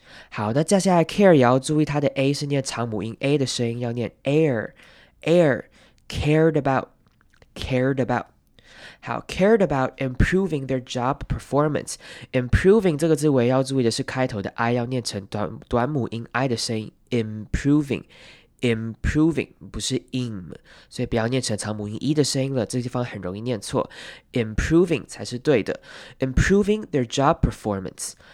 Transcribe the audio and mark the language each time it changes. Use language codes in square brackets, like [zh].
[zh] 好，那接下来 care 也要注意，它的 a 是念长母音 a 的声音，要念 air。 [en] Cared about。好 ，cared about improving their job performance。 [zh] Improving 这个字尾要注意的是开头的 i 要念成短母音 i 的声音 ，improving。 Improving 不是 im， 所以不要念成长母音 e 的声音了，这个地方很容易念错。 Improving 才是对的。 [en] Improving their job performance。